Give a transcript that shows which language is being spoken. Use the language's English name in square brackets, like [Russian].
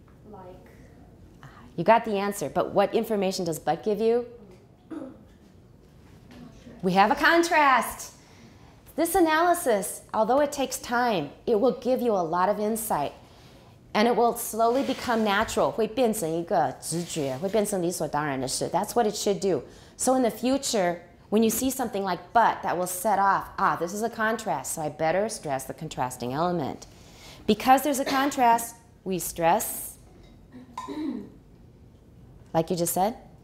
[English] Like. You got the answer, but what information does but give you? I'm not sure. We have a contrast. This analysis, although it takes time, it will give you a lot of insight. And it will slowly become natural. [Chinese] 会变成一个直觉，会变成理所当然的事。 [English] That's what it should do. So in the future, when you see something like but, that will set off, ah, this is a contrast, so I better stress the contrasting element. Because there's a contrast, we stress, like you just said?